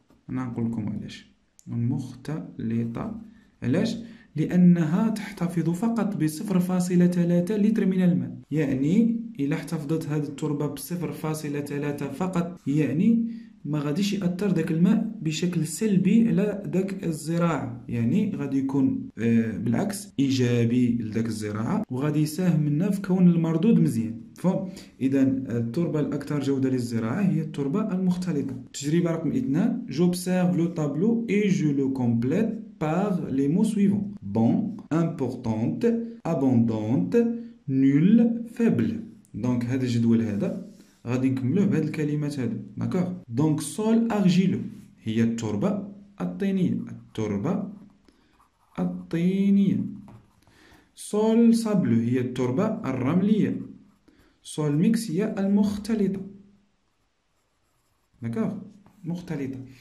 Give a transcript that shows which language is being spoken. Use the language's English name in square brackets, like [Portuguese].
[Arabic] أنا أقول لكم علاش المختلطة، علاش؟ لأنها تحتفظ فقط ب 0.3 لتر من الماء، يعني إلا احتفظت هذه التربة ب 0.3 فقط يعني ما غاديش يأثر ذاك الماء بشكل سلبي على ذاك الزراعة، يعني غادي يكون بالعكس إيجابي لذاك الزراعة وغادي يساهمنا في كون المردود مزيان. فإذا التربة الأكثر جودة للزراعة هي التربة المختلطة. تجربة رقم 2، [French] j'observe le tableau et je le complète par les mots suivants: bon, importante, abondante, nul, faible. [Arabic] دونك هذا الجدول هذا غادي نكملوه بهذه الكلمات هذو، داكوغ؟ دونك سول أرجيلو هي التربة الطينية، التربة الطينية. سول سابلو هي التربة الرملية. سول ميكس هي المختلطة، داكوغ؟ مختلطة.